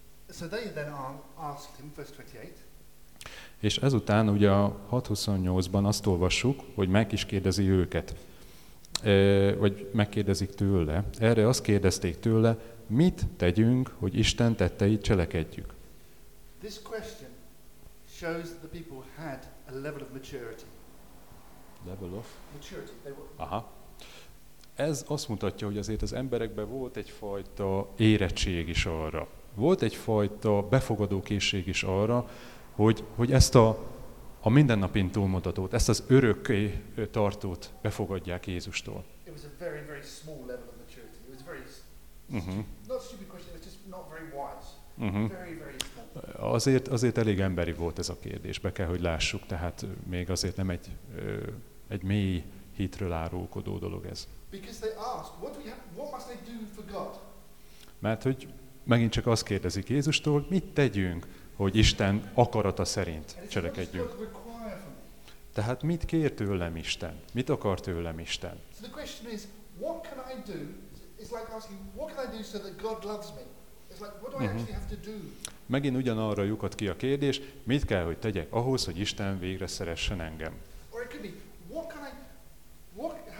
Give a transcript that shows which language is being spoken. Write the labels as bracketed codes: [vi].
[en] So they then asked him, verse 28. [hu] És ezután ugye a 6.28-ban azt olvassuk, hogy meg is kérdezi őket, vagy megkérdezik tőle. Erre azt kérdezték tőle, mit tegyünk, hogy Isten tetteit cselekedjük. [en] This question shows that the people had a level of maturity. Level of? Maturity. Aha. [hu] Ez azt mutatja, hogy azért az emberekben volt egyfajta érettség is arra. Volt egyfajta befogadókészség is arra, hogy ezt a mindennapin túlmutatót, ezt az örökké tartót befogadják Jézustól. [en] It was a very, very small level of maturity. It was a very, not stupid question, it was just not very wise. [hu] Azért elég emberi volt ez a kérdés, be kell, hogy lássuk, tehát még azért nem egy mély hitről árulkodó dolog ez. [en] Because they asked, what must they do for God? [hu] Mert hogy megint csak azt kérdezik Jézustól, mit tegyünk, hogy Isten akarata szerint cselekedjünk. Tehát mit kér tőlem Isten? Mit akar tőlem Isten? [en] So the question is, what can I do? It's like asking, what can I do so that God loves me? It's like, what do I actually have to do? [hu] Megint ugyanarra lyukadt ki a kérdés, mit kell, hogy tegyek ahhoz, hogy Isten végre szeressen engem? [en] Or it could be, what can I, what